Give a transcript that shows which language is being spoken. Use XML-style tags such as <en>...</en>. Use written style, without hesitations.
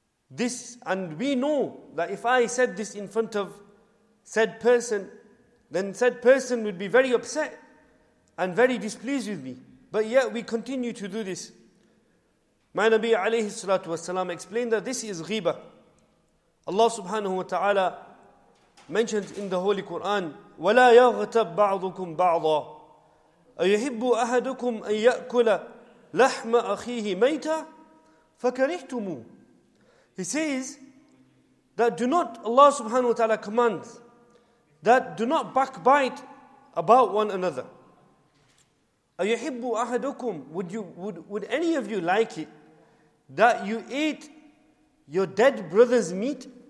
<en>This, and we know that if I said this in front of said person, then said person would be very upset and very displeased with me. But yet we continue to do this. My Nabi alayhi salatu wasalam explained that this is ghibah. Allah subhanahu wa ta'ala mentions in the Holy Quran,</en> <ar>وَلَا يَغْتَبْ بَعْضُكُمْ بَعْضًا أَيُحِبُّ أَحَدُكُمْ أَنْ يَأْكُلَ لَحْمَ أَخِيهِ مَيْتًا فَكَرِهْتُمُ.</ar> <en>He says that do not, Allah subhanahu wa ta'ala commands that do not backbite about one another.</en> <ar>أَيُحِبُّ أَحَدُكُمْ,</ar> <en>would any of you like it that you ate your dead brother's meat?</en>